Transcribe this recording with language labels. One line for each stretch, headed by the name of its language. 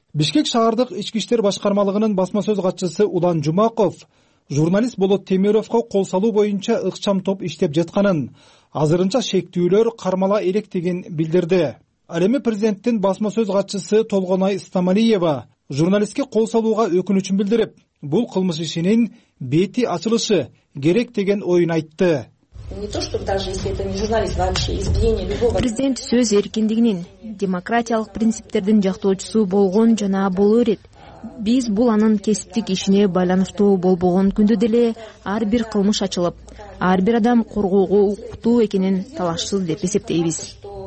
Kyrgyz: Бишкек шаардык ички иштер башкармалыгынын басма сөз катчысы Улан Жумаков журналист Болот Темировко кол салуу боюнча ыкчам топ иштеп жатканын, азырынча шектүүлөр кармала электегин билдирди. Ал эми президенттин басма сөз катчысы Толгонай Стамалиева журналистке кол салууга өкүнүчүн билдирип, бул кылмыш ишинин бети ачылышы керек деген оюн айтты.
Russian: Не то, чтобы даже если это не журналист, вообще избиение любого.
Kyrgyz: Президент сөз эркиндигинин, демократиялык принциптердин жактоочусу болгон жана болуу керек. Биз бул анын кесиптик ишине байланыштуу болбогон күндө деле ар бир кылмыш ачылып, ар бир адам коргоого укуктуу экенин талашсыз деп эсептейбиз.